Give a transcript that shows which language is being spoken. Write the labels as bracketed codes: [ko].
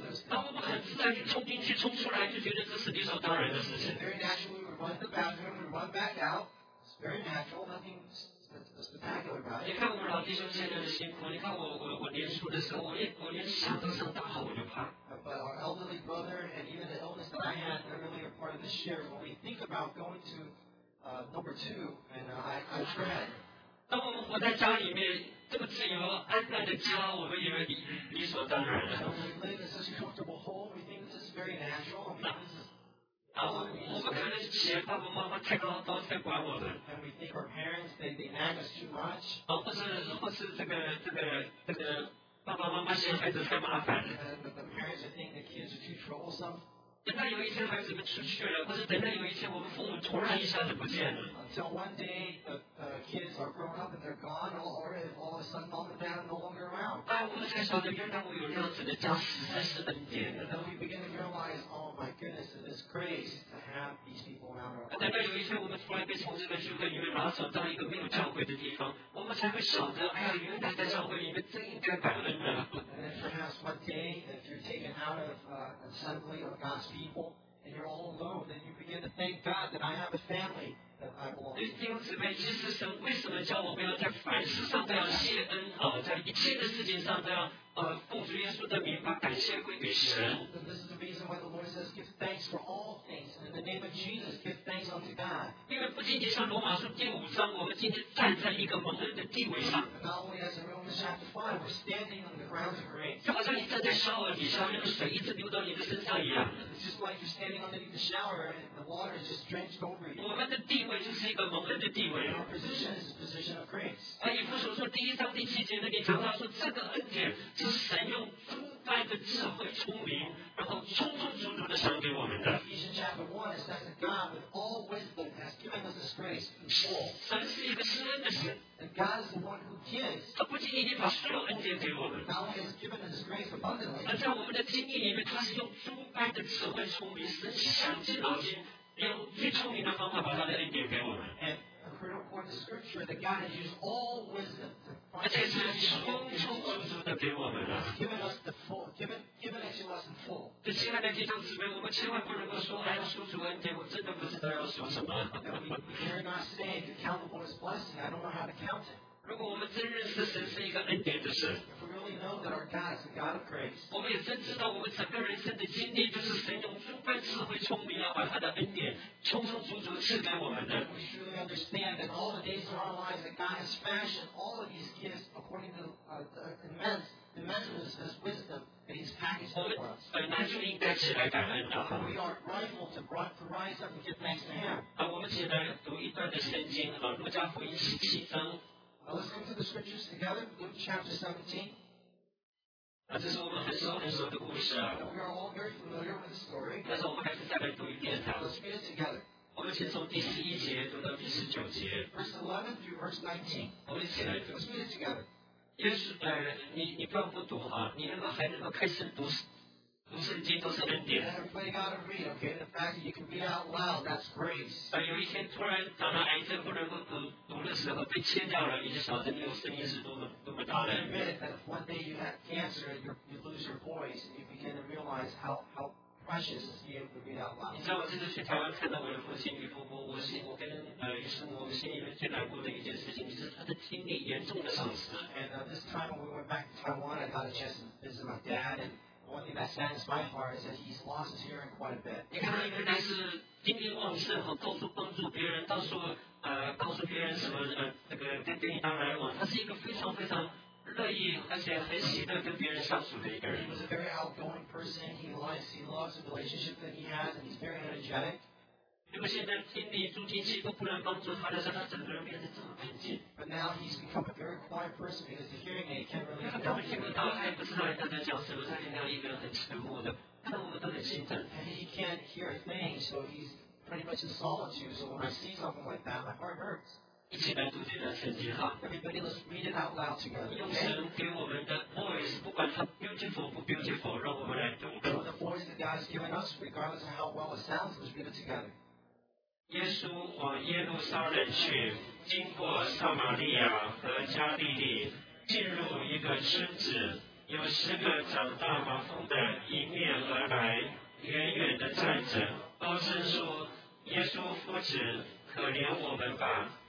[zh] 当我们很自然地冲进去、冲出来，就觉得这是理所当然的事情。 [en] Very naturally, we run to the bathroom, we run back out. It's very natural, nothing spectacular about it. [zh] 你看我们老弟兄现在的辛苦，你看我年初的时候，我连想都想大吼，我就怕。 [en] But our elderly brother and even the illness that I had earlier part of this year, when we think about going to number two, and I dread. [zh] 当我们活在家里面。这么自由安稳的家，我们以为理所当然了。我们可能嫌爸爸妈妈太高高，太管我们。 [en] And we think our parents they nag us too much. [zh] 或是这个爸爸妈妈嫌孩子太麻烦了。等到有一天孩子们出去了，或者等到有一天我们父母突然一下子不见了。 [en] Until one day the kids are grown up and they're gone, all of a sudden mom and dad are no longer around. [zh] 哎，我们才晓得原来我有这样子的家，实在是恩典。 [en] And then we begin to realize, oh my goodness, it is grace to have these people around our lives. [zh] 等到有一天我们突然被从这个聚会里面拿走到一个没有教会的地方，我们才会晓得，哎呀，原来在教会里面真应该感恩的。 [en] And then perhaps one day, if you're taken out of assembly of God's people and you're all alone, then you begin to thank God that I have a family. [zh] 弟兄姊妹，其实神为什么叫我们要在凡事上都要谢恩啊，在一切的事情上都要奉主耶稣的名把感谢归给神。 [en] This is the reason why the Lord says, "Give thanks for all things, and in the name of Jesus, give thanks unto God." [zh] 因为不仅仅像罗马书第五章，我们今天站在一个蒙恩的地位上。 [en] Not only as in Romans chapter five, we're standing on the grounds of grace. [zh] 就好像你站在 shower 底下，那个水一直流到你的身上一样。 [en] It's just like you're standing underneath the shower, and the water is just drenched over you. [zh] 我们的地位就是一个蒙恩的地位。 [en] Our position is a position of grace. [zh] 以弗所书第一章第七节那里常常说，这个恩典。神用丰富的智慧、聪明，然后充充足足的赏给我们的。 [en] Ephesians chapter one says that God, with all wisdom, has given us this grace. [zh] 神是一个施恩的神。 [en] And God is the one who gives. [zh] 他不仅仅把所有恩典给我们。 [en] God has given us grace abundantly. [zh] 而在我们的经历里面，他是用丰富的智慧、聪明，神想尽脑筋，用最聪明的方法把他的恩典给我们。 [en] According to the scripture, that God has used all wisdom to find us. Given us the full, given it to us in full. [zh] 这亲爱的弟兄姊妹，我们千万不能够说，哎呀，主恩典，我真的不知道要说什么。 [en] We dare not say to count the Lord's blessing. I don't know how to count it. [zh] 如果我们真认识神是一个恩典的神， [en] If we really know that our God is a God of grace, [zh] 我们也真知道我们整个人生的经历就是神用丰富智慧聪明要把他的恩典充充足足赐给我们的。 [en] We surely understand that all the days of our lives that God has fashioned all of these gifts according to the immense of his wisdom that he's packaged for us. [zh] 我们本来应该起来感恩的。 [en] We are rightful to rise up and give thanks to him. [zh] 我们起来读一段的圣经啊，路加福音十七章。 [en] Let's go to the scriptures together, Luke chapter 17. [zh] 这是我们很熟很熟的故事啊。 [en] We are all very familiar with the story. [zh] 但是我们还是再来读一遍它。 [en] Let's read it together. [zh] 我们先从第十一节读到第十九节。 [en] Verse 11 through verse 19. [zh] 我们一起来读。 [en] Let's read it together. [zh] 耶稣，你不要不读啊，你能够还能够开始读读圣经都是恩典。 [en] Everybody got to read, okay? The fact that you can read out loud, that's grace. [zh] 有一天突然长了癌症，不能够读的时候被切掉了，你就晓得你有声音是多么大了。 [en] Admit that if one day you have cancer and you lose your voice, and you begin to realize how precious it is to be able to read out loud. [zh] 你知道我这次去台湾看到我的父亲与父母，我心里面最难过的一件事情就是他的听力严重的丧失。 [en] And this time when we went back to Taiwan, I got a chance to visit my dad and. one thing that saddens my heart is that he's lost his hearing quite a bit. [zh] 你看他原来是精力旺盛，哈，到处帮助别人，到处告诉别人什么那个跟别人当来往。他是一个非常非常乐意而且很喜乐跟别人相处的一个人。 [en] He's a very outgoing person. He loves the relationship that he has, and he's very energetic. [zh] 如果现在听力助听器都不能帮助他的时候，他整个人变得这么安静。 [en] But now he's become a very quiet person because the hearing aid can't really help. [zh] 他根本听不到，他也不知道人家在讲什么，他听到一个很沉默的，看到我们都很心疼。 [en] And he can't hear a thing, so he's pretty much in solitude. So when I see something like that, my heart hurts. [zh] 一起来读这段圣经哈。 [en] Everybody, let's read it out loud together. [zh] 用神给我们的 [en] voice， [zh] 不管它 [en] beautiful [zh] 不 [en] beautiful， [zh] 让我们来读。 [en] The voice that God has given us, regardless of how well it sounds, let's read it together. [zh] 耶稣往耶路撒冷去，经过撒玛利亚和加利利，进入一个村子，有十个长大麻风的迎面而来，远远的站着，高声说：“耶稣夫子，可怜我们吧！”